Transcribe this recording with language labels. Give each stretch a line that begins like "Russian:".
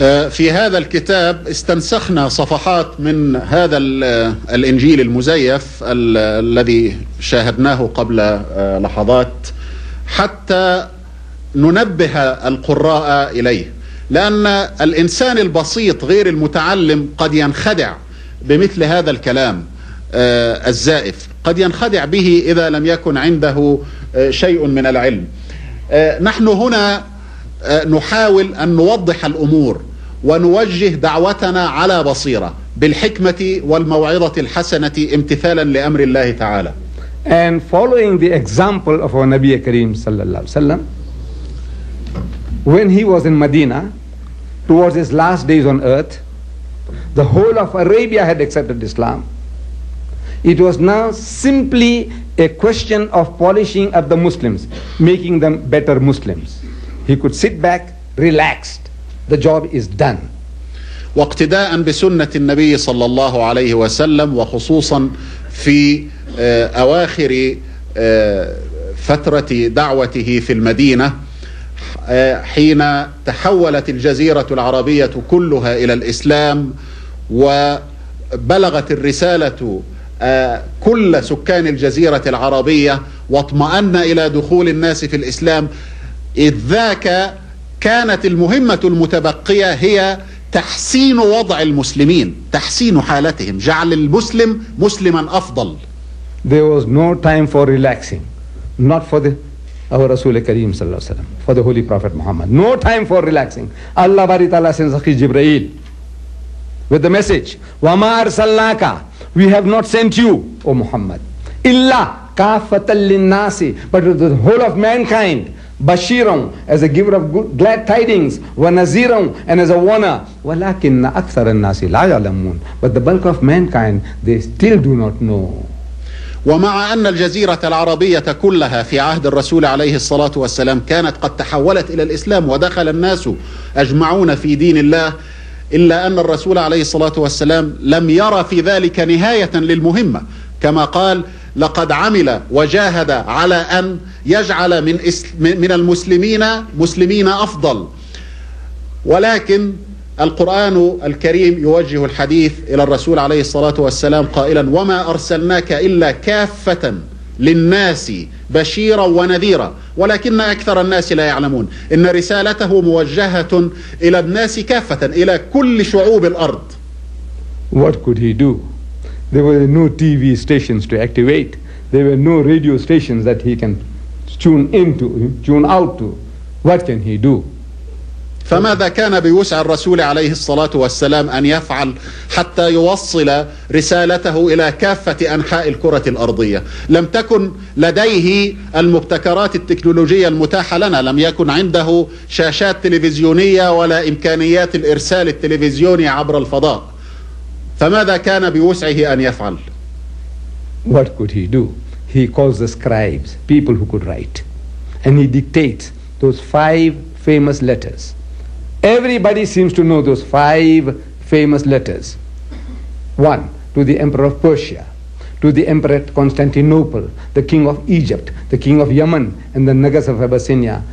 Arabic: في هذا الكتاب استنسخنا صفحات من هذا الإنجيل المزيف الذي شاهدناه قبل لحظات حتى ننبه القراء إليه، لأن الإنسان البسيط غير المتعلم قد ينخدع بمثل هذا الكلام الزائف، قد ينخدع به إذا لم يكن عنده شيء من العلم. نحن هنا نحاول أن نوضح الأمور ونوجه دعوتنا على بصيرة بالحكمة والموعظة الحسنة امتثالا لأمر الله تعالى.
English: And following the example of our Nabi Kareem
Arabic: صلى الله عليه وسلم,
English: when he was in Medina towards his last days on earth, the whole of Arabia had accepted Islam. It was now simply a question of polishing up the Muslims, making them better Muslims. He could sit back, relaxed. The job is done.
Arabic: واقتداء بسنة النبي صلى الله عليه وسلم وخصوصا في أواخر فترة دعوته في المدينة حين تحولت الجزيرة العربية كلها إلى الإسلام وبلغت الرسالة كل سكان الجزيرة العربية واطمأن إلى دخول الناس في الإسلام، إذ ذاك كانت المهمة المتبقية هي تحسين وضع المسلمين، تحسين حالتهم، جعل المسلم مسلما أفضل.
English: There was no time for relaxing, not for the our Rasul Kareem
Arabic: صلى الله عليه وسلم,
English: for the Holy Prophet Muhammad. No time for relaxing. Allah bari ta'ala sends Akhi Jibreel with the message,
Arabic: وَمَا أَرْسَلْنَاكَ,
English: we have not sent you, O Muhammad,
Arabic: إِلَّا كَافَةً لِلنَّاسِ,
English: but the whole of mankind, بَشِيرًا, as a giver of good, glad tidings, وَنَزِيرًا, and as a warner,
Arabic: وَلَكِنَّ أَكْثَرَ النَّاسِ لَا يَعْلَمُونَ,
English: but the bulk of mankind, they still do not know.
Arabic: ومع أن الجزيرة العربية كلها في عهد الرسول عليه الصلاة والسلام كانت قد تحولت إلى الإسلام ودخل الناس أجمعون في دين الله، إلا أن الرسول عليه الصلاة والسلام لم يرى في ذلك نهاية للمهمة، كما قال: لقد عمل وجاهد على أن يجعل من المسلمين مسلمين أفضل. ولكن القرآن الكريم يوجه الحديث إلى الرسول عليه الصلاة والسلام قائلا: وما أرسلناك إلا كافة للناس بشيرا ونذيرا، ولكن أكثر الناس لا يعلمون. إن رسالته موجهة إلى الناس كافة، إلى كل شعوب الأرض.
English: What could he do? There were no TV stations to activate. There were no radio stations that he can tune out to. What can he do?
Arabic: فماذا كان بوسع الرسول عليه الصلاة والسلام أن يفعل حتى يوصل رسالته إلى كافة أنحاء الكرة الأرضية؟ لم تكن لديه المبتكرات التكنولوجية المتاحة لنا، لم يكن عنده شاشات تلفزيونية ولا إمكانيات الإرسال التلفزيوني عبر الفضاء، فماذا كان بوسعه أن يفعل؟
English: What could he do? He calls the scribes, people who could write, and he dictates those five famous letters. Everybody seems to know those five famous letters. One, to the Emperor of Persia, to the Emperor at Constantinople, the King of Egypt, the King of Yemen, and the Nagas of Abyssinia.